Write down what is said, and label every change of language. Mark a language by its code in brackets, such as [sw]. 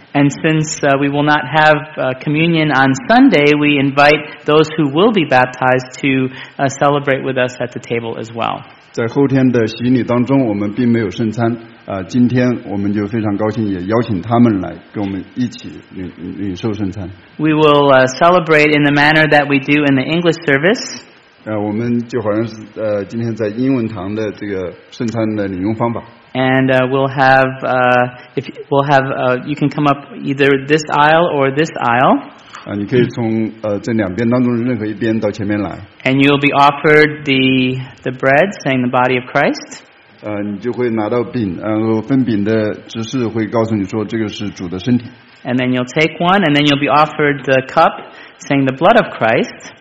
[en] And since we will not have communion on Sunday, we invite those who will be baptized to celebrate with us at the table as well. [zh] 在后天的洗礼当中，我们并没有圣餐。今天我们就非常高兴，也邀请他们来跟我们一起领受圣餐。 [en] We will celebrate in the manner that we do in the English service. [zh] 我们就好像是今天在英文堂的这个圣餐的领用方法。 [en] And we'll have if we'll have you can come up either this aisle or this aisle. [zh] 你可以从这两边当中任何一边到前面来。 [en] And you'll be offered the bread, saying the body of Christ. [zh] 你就会拿到饼，然后分饼的执事会告诉你说这个是主的身体。 [en] And then you'll take one, and then you'll be offered the cup, saying the blood of Christ.